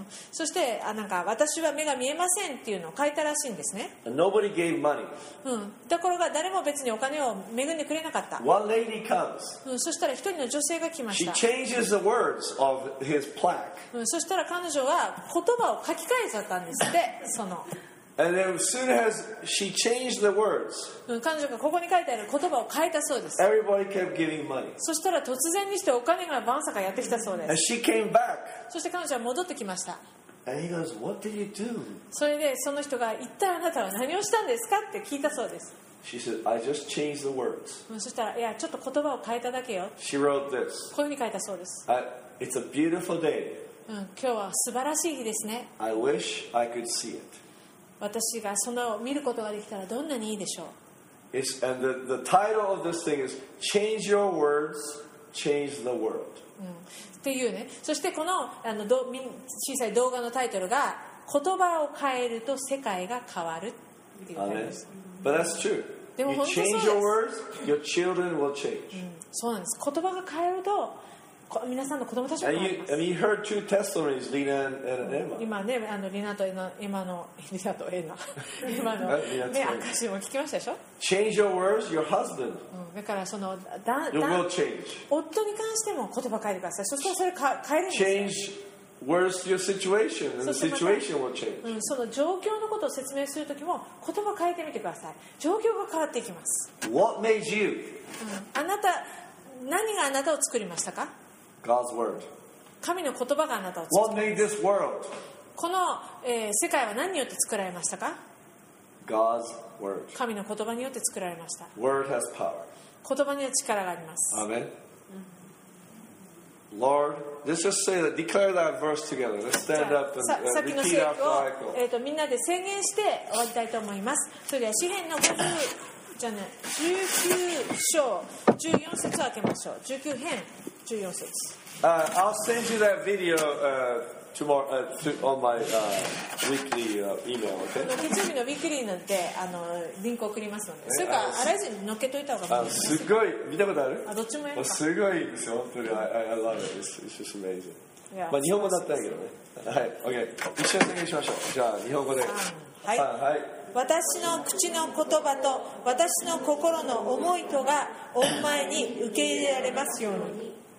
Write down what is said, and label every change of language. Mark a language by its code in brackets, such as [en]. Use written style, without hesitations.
[ja] そして、あ、なんか私は目が見えませんっていうのを書いたらしいんですね。 [en] And nobody gave money. [ja] ところが誰も別にお金を恵んでくれなかった。 [en] One lady comes. [ja] そしたら一人の女性が来ました。 [en] She changes the words of his plaque. [ja] そしたら彼女は言葉を書き換えちゃったんですって、その。 [en] And then as soon as she changed the words, [ja] 彼女がここに書いてある言葉を変えたそうです。 [en] Everybody kept giving money. [ja] そしたら突然にしてお金がバンサカやってきたそうです。 [en] And she came back. [ja] そして彼女は戻ってきました。 [en] And he goes, "What did you do?" [ja] それでその人が、一体あなたは何をしたんですかって聞いたそうです。 [en] She said, "I just changed the words." [ja] そしたら、いや、ちょっと言葉を変えただけよ。 [en] She wrote this. [ja] こういうふうに書いたそうです。 [en] It's a beautiful day. [ja] 今日は素晴らしい日ですね。 [en] I wish I could see it. [ja] 私がそのを見ることができたらどんなにいいでしょう。 [en] It's, and the title of this thing is Change Your Words, Change the World. [ja] っていうね。そしてこ の, あの小さい動画のタイトルが、言葉を変えると世界が変わるっていうタイトルです。 [en] But that's true. [ja] でも [en] you change your words, your children will change. [ja] そうなんです。言葉が変えると皆さんの子供たちも。 [en] And you heard two testimonies, Lina and Emma. [ja] 今ね、あの、リナとエマ、エマの、リナとエナ、エマの、ね、証も聞きましたでしょ。 [en] Change your words, your husband. [ja] だからその、 [en] It will change. [ja] 夫に関しても言葉変えてください。そしたらそれ変えるんですよ。 [en] Change words to your situation, and the situation will change. [ja] その状況のことを説明するときも、言葉変えてみてください。状況が変わっていきます。 [en] What made you? [ja] あなた、何があなたを作りましたか？ [en] God's word. [ja] 神の言葉があなたを作った。 [en] What made this world? [ja] この、世界は何によって作られましたか？ [en] God's word. [ja] 神の言葉によって作られました。 [en] Word has power. [ja] 言葉には力があります。 [en] Amen. Lord, let's just say that, declare that verse together. Let's stand up and repeat after Michael. [ja] みんなで宣言して終わりたいと思います。それでは詩編の19章14節を開けましょう。 19編。 [en] I'll send you that video on my weekly email. Okay. [ja] 月曜日のウィークリーなんて、あの、リンク送りますので。それか、あらゆるのっけといた方がいい。すごい、見たことある？あ、どっちもやる。すごいですよ。本当に、 [en] I love it. It's just amazing. [ja] まあ、日本語だったんだけどね。はい、OK。一緒に宣言しましょう。じゃあ、日本語で。はい、私の口の言葉と私の心の思いとが御前に受け入れられますように。